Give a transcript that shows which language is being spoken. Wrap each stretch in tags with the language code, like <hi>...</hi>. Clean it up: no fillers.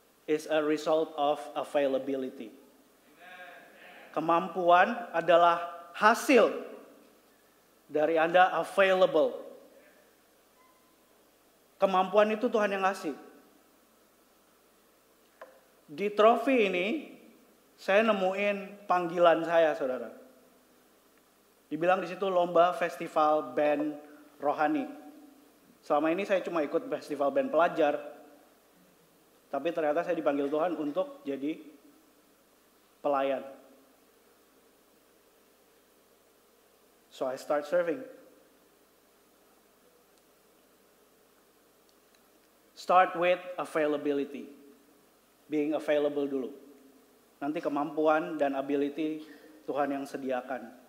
<en>is a result of availability.</en> <id>Kemampuan adalah hasil dari Anda available. Kemampuan itu Tuhan yang kasih. Di trofi ini, saya nemuin panggilan saya, saudara. Dibilang di situ lomba festival band rohani. Selama ini saya cuma ikut festival band pelajar. Tapi ternyata saya dipanggil Tuhan untuk jadi pelayan.</id> <en>So I start serving. Start with availability. Being available</en> <id>dulu. Nanti kemampuan dan ability Tuhan yang sediakan.</id>